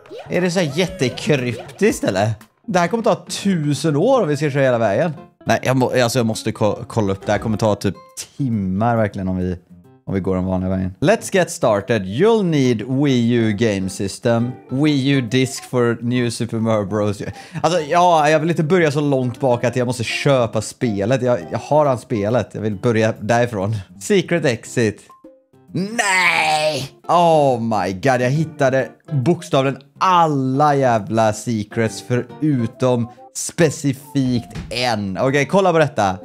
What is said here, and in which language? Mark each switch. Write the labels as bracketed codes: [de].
[sv] Är det så här jättekryptiskt eller? Det här kommer ta 1000 år om vi ska köra hela vägen. Nej, jag måste kolla upp. Det här kommer ta typ timmar verkligen om vi går den vanliga vägen. [en] Let's get started. You'll need Wii U game system. Wii U disk for new Super Mario Bros. [sv] Alltså, ja, jag vill inte börja så långt bak att jag måste köpa spelet. Jag har redan spelet. Jag vill börja därifrån. Secret exit. Nej! [en] Oh my god, [sv] jag hittade bokstavligen alla jävla secrets förutom specifikt en. Okej, kolla på detta.